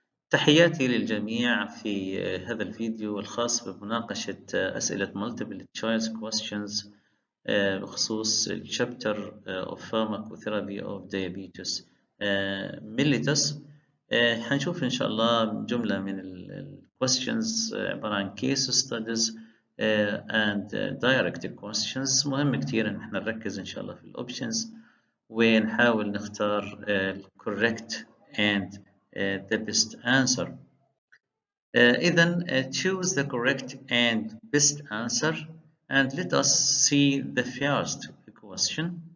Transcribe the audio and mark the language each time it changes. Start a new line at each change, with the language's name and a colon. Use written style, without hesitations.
Arabic: تحياتي للجميع في هذا الفيديو الخاص بمناقشة أسئلة Multiple Choice Questions بخصوص
English: Chapter of Pharmacotherapy of Diabetes Mellitus.
Arabic: هنشوف إن شاء الله جملة من الـ Questions عبارة عن
English: Case Studies and Direct Questions.
Arabic: مهم كتير إن احنا نركز إن شاء الله في الـ Options ونحاول نختار الـ
English: Correct and the best answer. Then choose the correct and best answer, and let us see the first question.